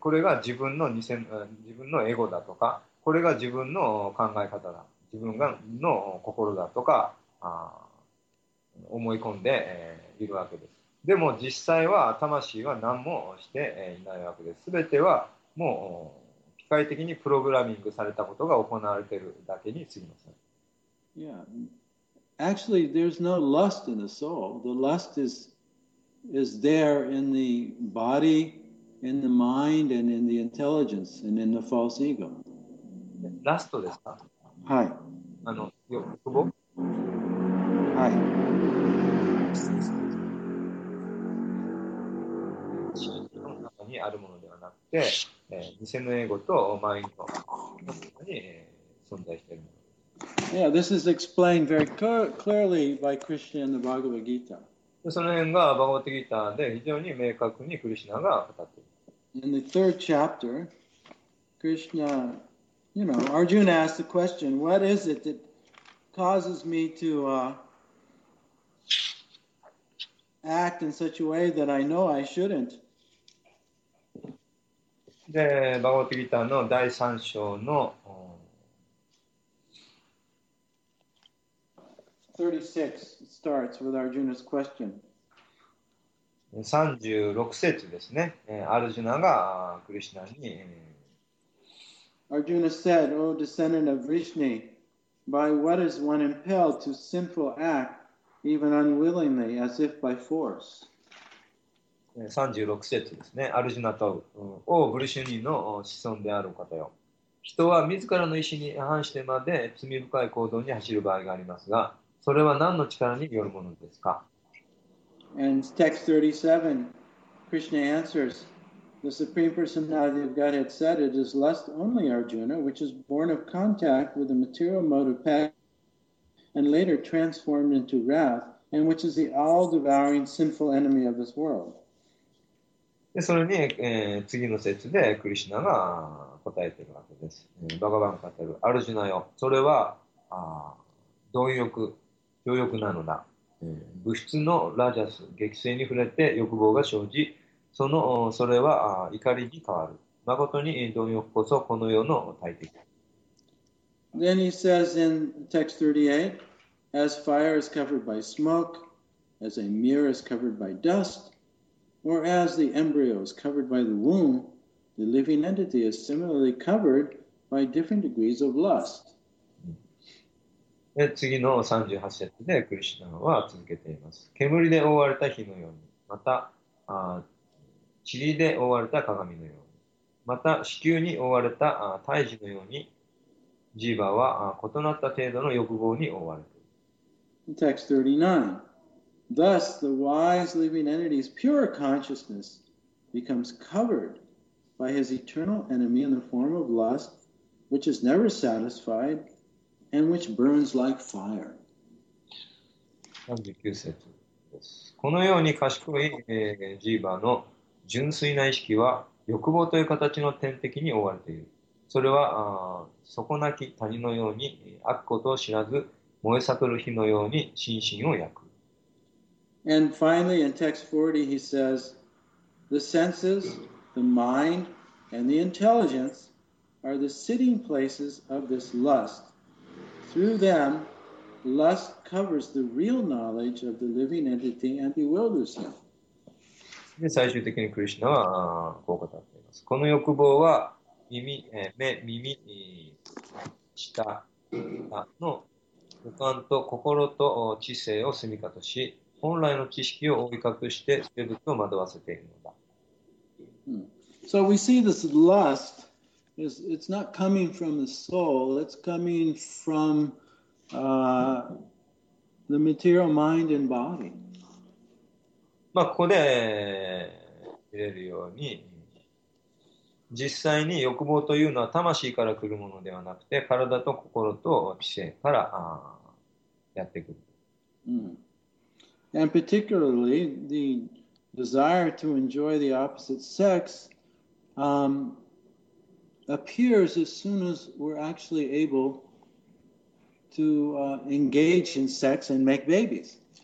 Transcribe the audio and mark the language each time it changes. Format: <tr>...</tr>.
<ja>これが自分のエゴだとか、これが自分の考え方だ、自分がの心だとか、思い込んで、いるわけです。でも実際は魂は何もしていないわけです。全てはもう機械的にプログラミングされたことが行われているだけに過ぎません。</ja> <en>Yeah. Actually, there's no lust in the soul. The lust is there in the body, in the mind, and in the intelligence, and in the false ego.</en> <ja>ラストですか？はい。あの、欲望？はい。にあるものではなくて、偽のエゴとマインドに存在しているもの。</ja> <en>Yeah, this is explained very clearly by Krishna in the Bhagavad Gita.</en> <ja>その辺がバガヴァッド・ギーターで非常に明確にクリシナが語っている。</ja> <en>In the third chapter, Krishna, you know, Arjuna asked the question, "What is it that causes me to act in such a way that I know I shouldn't?"</en> <ja>で、バゴバギーターの第3章の、</ja> <en>36 starts with Arjuna's question.</en> <ja>36節ですね。アルジュナがクリシナに、</ja> <en>Arjuna said, O descendant of Vishnu, by what is one impelled to sinful act, even unwillingly, as if by force?</en> <ja>36節ですね。アルジュナと、オー・ブルシュニーの子孫である方よ。人は自らの意思に反してまで罪深い行動に走る場合がありますが、それは何の力によるものですか？</ja> <en>And text 37, Krishna answers, The Supreme Personality of God had said it is lust only, Arjuna, which is born of contact with the material mode of passion and later transformed into wrath, and which is the all-devouring sinful enemy of this world.</en> <ja>でそれに、次の節でクリシナが答えているわけです。バガバン語る、アルジュナよ、それは貪欲、強欲なのだ、物質のラジャス、激性に触れて欲望が生じ、それは怒りに変わる。まことに貪欲こそこの世の大敵。</ja> <en>Then he says in text 38, As fire is covered by smoke, as a mirror is covered by dust, Whereas the embryo is covered by the womb, the living entity is similarly covered by different degrees of lust.</en> <ja>で、次の38節でクリシナは続けています。煙で覆われた火のように、また、塵で覆われた鏡のように、また、子宮に覆われた胎児のように、ジーバは異なった程度の欲望に覆われている。</ja> <en>Text 39. Thus, the wise living entity's pure consciousness becomes covered by his eternal enemy in the form of lust, which is never satisfied. And which burns like fire.</en> <ja>39節です。このように賢い、ジーバの純粋な意識は欲望という形の天敵に覆われている。それは底なき谷のように悪ことを知らず燃え盛る火のように心身を焼く。</ja> <en>And finally, in text 40, he says, the senses, the mind, and the intelligence are the sitting places of this lust. Through them, lust covers the real knowledge of the living entity and bewilders him.</en> <ja>で、最終的にクリシナはこう語っています。この欲望は耳、目、耳、舌の五感と心と知性を住処とし、本来の知識を覆い隠して生物を惑わせているのだ。</ja> <en>So we see this lust. It's not coming from the soul, it's coming from the material mind and body.</en> <ja>まあここで見れるように実際に欲望というのは魂から来るものではなくて体と心と知性からやってくる。</ja> <en>And particularly the desire to enjoy the opposite sex, appears as soon as we're actually able to engage in sex and make babies.</en>